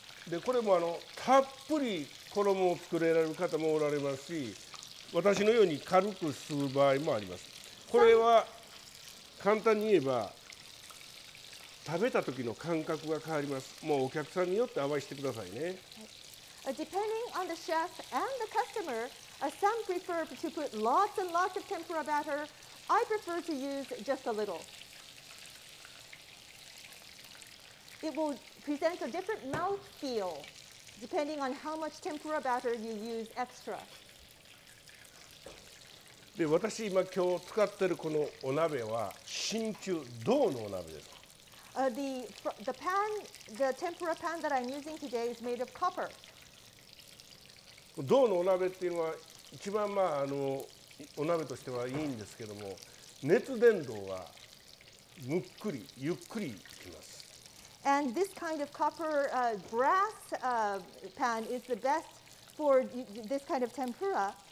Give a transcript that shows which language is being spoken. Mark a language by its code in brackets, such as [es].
[ja] で、これもたっぷり衣を作れられる方もおられますし、私のように軽くする場合もあります。これは簡単に言えば、食べた時の感覚が変わります。もうお客さんによって合わせてくださいね。 [en] Depending on the chef and the customer, some prefer to put lots and lots of tempura batter. I prefer to use just a little. It will present a different mouth feel depending on how much tempura batter you use extra. [ja] で、私今今日使ってるこのお鍋は真鍮銅のお鍋です。 [en] The tempura pan that I'm using today is made of copper. [ja] 銅のお鍋っていうのは一番まあお鍋としてはいいんですけども、熱伝導はむっくりゆっくりきます。 [en] And this kind of copper brass pan is the best for this kind of tempura.